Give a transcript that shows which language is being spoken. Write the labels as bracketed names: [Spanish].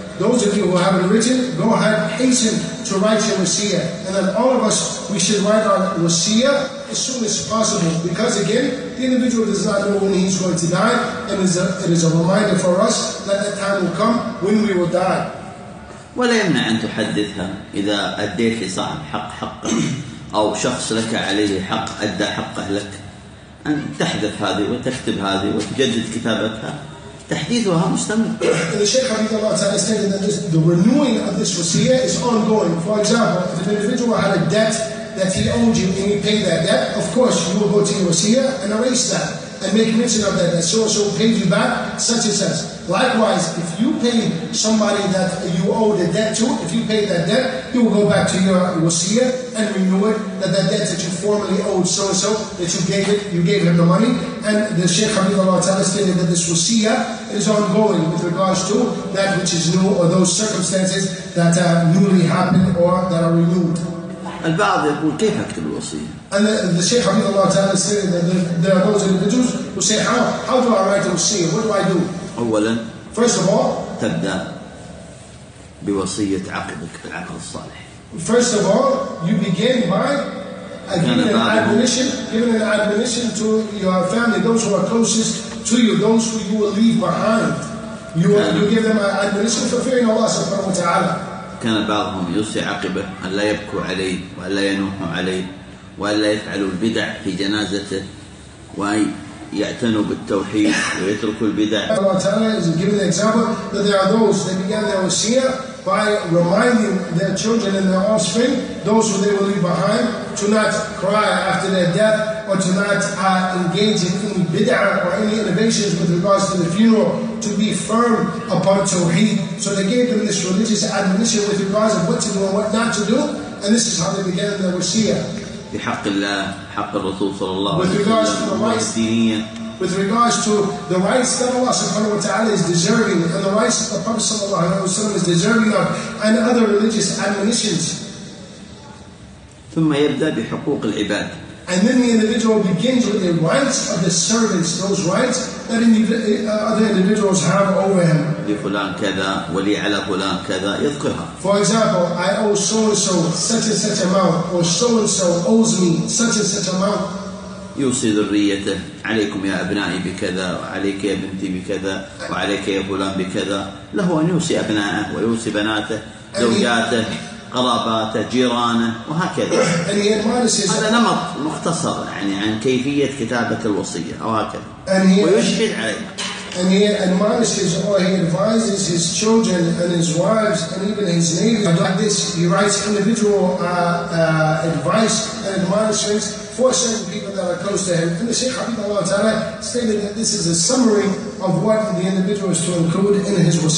[English] Those of you who haven't written, go ahead, hasten to write your wasiyah. And then all of us, we should write our wasiyah as soon as possible. Because again, the individual does not know when he's going to die. And it is a reminder for us that the time will come when we will die. [Arabic] ولا يمنع أن تحدثها إذا أديت لصاحب حق حقه أو شخص لك عليه حق أدى حقه لك، أن تحدث هذه وتكتب هذه وتجدد كتابتها. [English] And the Shaykh Hafidhullah Ta'ala stated that the renewing of this wasiyah is ongoing. For example, if an individual had a debt that he owed you and you pay that debt, of course you will go to your wasiyah and erase that and make mention of that so-and-so paid you back such and such. Likewise, if you pay somebody that you owe the debt to, if you pay that debt, you will go back to your wasiyah and renew it, that debt that you formerly owed so-and-so, that you gave him the money. And the Shaykh Hafidhullah Ta'ala stated that this wasiyah is ongoing with regards to that which is new or those circumstances that newly happened or that are renewed. [Arabic] البعض يقول كيف أكتب الوصية؟ [English] And the Shaykh Hafidhullah Ta'ala said that there are those individuals who say how do I write a wasiyya? What do I do? [Arabic] أولا. [English] First of all. [Arabic] تبدأ بوصية عقدك بالعقد الصالح. [English] First of all, you begin by giving an admonition to your family, those who are closest to you, those who you will leave behind. You give them an admonition for fearing Allah Subhanahu wa Taala. [Arabic] كان بعضهم يوصي عقبه أن لا يبكوا عليه وأن لا ينوحوا عليه وأن لا يفعلوا البدع في جنازته وأن يعتنوا بالتوحيد ويتركوا البدع. [English] Allah Ta'ala is giving an example that there are those, they began their wasiyah by reminding their children and their offspring, those who they will leave behind, to not cry after their death or to not engage in any bid'ah or any innovations with regards to the funeral, to be firm upon tawheed. So they gave them this religious admonition with regards of what to do and what not to do, and this is how they began their wasiyah. [Arabic] بحق الله حق الرسول صلى الله عليه وسلم [English] with regards to the rights that Allah subhanahu wa ta'ala is deserving and the rights that the Prophet sallallahu alayhi wa sallam is deserving of and other religious admonitions. [Arabic] ثم يبدأ بحقوق العباد. [English] And then the individual begins with the rights of the servants, those rights that other individuals have over him. [Arabic] لفلان كذا ولي على فلان كذا يذكرها. [English] For example, I owe so and so such and such amount, or so and so owes me such and such amount. [Arabic] يوصي ذريته عليكم يا أبنائي بكذا وعليك يا بنتي بكذا وعليك يا فلان بكذا. له أن يوصي أبنائه ويوصي بناته زوجاته قراباته جيرانه وهكذا. هذا نمط مختصر يعني عن كيفية كتابة الوصية أو هكذا. ويشهد عليه. [English] And he admonishes or he advises his children and his wives and even his neighbors. Like this, he writes individual advice and admonishments for certain people that are close to him. And the Shaykh Habibullah Ta'ala stated that this is a summary of what the individual is to include in his